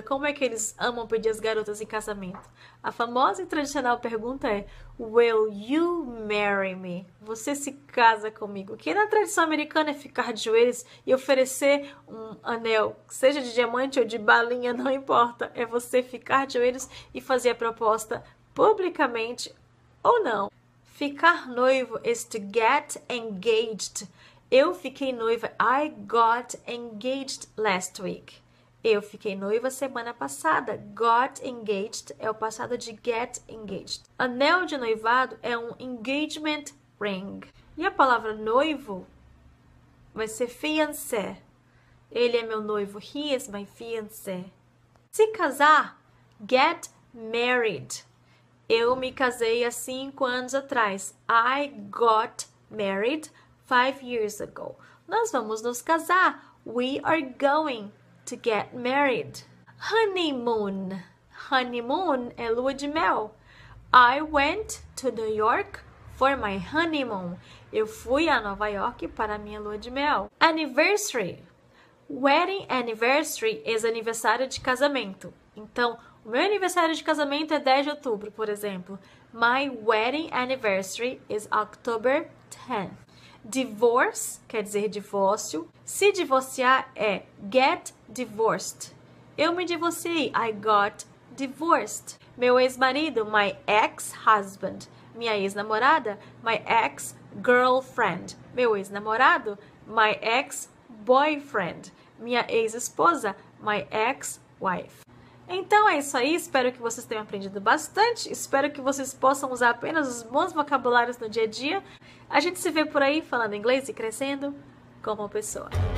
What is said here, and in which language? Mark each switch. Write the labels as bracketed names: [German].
[Portuguese] Como é que eles amam pedir as garotas em casamento? A famosa e tradicional pergunta é: [English] Will you marry me? [Portuguese] Você se casa comigo? Que na tradição americana é ficar de joelhos e oferecer um anel, seja de diamante ou de balinha, não importa. É você ficar de joelhos e fazer a proposta publicamente ou não. Ficar noivo [English] is to get engaged. [Portuguese] Eu fiquei noiva. [English] I got engaged last week. [Portuguese] Eu fiquei noiva semana passada. [English] Got engaged [Portuguese] é o passado de [English] get engaged. [Portuguese] Anel de noivado é um engagement ring. E a palavra noivo vai ser fiancé. Ele é meu noivo. [English] He is my fiancé. [Portuguese] Se casar, [English] get married. [Portuguese] Eu me casei há 5 anos atrás. [English] I got married 5 years ago. [Portuguese] Nós vamos nos casar. [English] We are going to get married. Honeymoon. Honeymoon [Portuguese] é lua de mel. [English] I went to New York for my honeymoon. [Portuguese] Eu fui a Nova York para minha lua de mel. Anniversary. Wedding anniversary é aniversário de casamento. Então, o meu aniversário de casamento é 10 de outubro, por exemplo. [English] My wedding anniversary is October 10th. [Portuguese] Divorce quer dizer divórcio. Se divorciar é [English] get divorced. [Portuguese] Eu me divorciei. [English] I got divorced. [Portuguese] Meu ex-marido, [English] my ex-husband. [Portuguese] Minha ex-namorada, [English] my ex-girlfriend. [Portuguese] Meu ex-namorado, [English] my ex-boyfriend. [Portuguese] Minha ex-esposa, [English] my ex-wife. [Portuguese] Então é isso aí, espero que vocês tenham aprendido bastante. Espero que vocês possam usar apenas os bons vocabulários no dia a dia. A gente se vê por aí falando inglês e crescendo como pessoa.